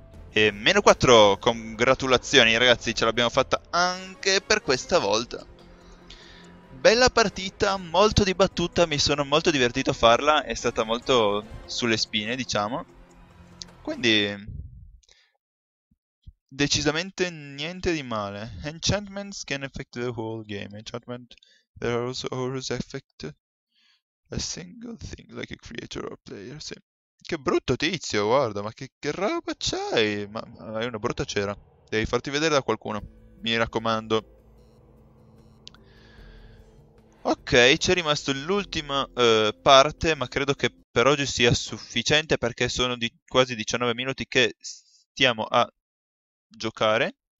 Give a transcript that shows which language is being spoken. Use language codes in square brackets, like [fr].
[it] E meno 4, congratulazioni ragazzi, ce l'abbiamo fatta anche per questa volta. Bella partita, molto dibattuta, mi sono molto divertito a farla, è stata molto sulle spine, diciamo. Quindi, decisamente niente di male. [en] Enchantments can affect the whole game. Enchantment, there are also auras affect a single thing, like a creature or player, sì. [it] Che brutto tizio, guarda, ma che roba c'hai? Ma hai una brutta cera. Devi farti vedere da qualcuno, mi raccomando. Ok, c'è rimasto l'ultima parte, ma credo che per oggi sia sufficiente perché sono di quasi 19 minuti che stiamo a giocare.